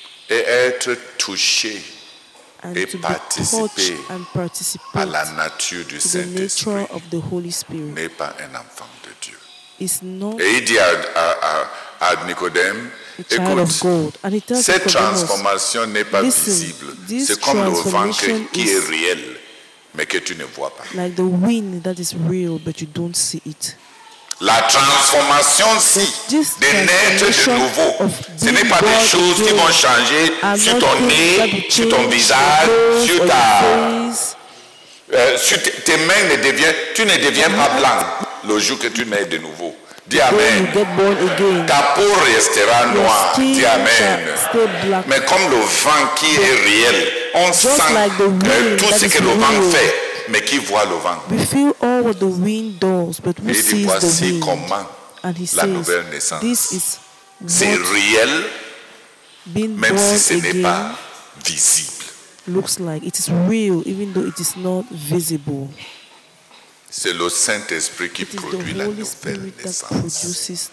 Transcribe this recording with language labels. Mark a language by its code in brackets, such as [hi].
[fr] et être touché et participer à la nature du Saint-Esprit, n'est pas un enfant de Dieu. Et il dit à Nicodème, écoute, cette transformation n'est pas visible. C'est comme le vent qui est réel, mais que tu ne vois pas. [en] Like the wind that is real, but you don't see it. [fr] La transformation, si, de naître de nouveau, ce n'est pas des choses qui vont changer sur ton nez, sur ton visage, sur ta sur tes mains ne deviennent, tu ne deviens pas blanc le jour que tu nais de nouveau. Dis amen. Ta peau restera noire. Dis amen. Mais comme le vent qui est réel, on sent que tout ce que le vent fait, mais qui voit le vent? [en] We feel all what the wind does, but who sees the wind? [fr] Et voici comment la nouvelle naissance. C'est réel, même si ce n'est pas visible. [en] Looks like it is real, even though it is not visible. [fr] C'est le Saint-Esprit qui produit la nouvelle naissance.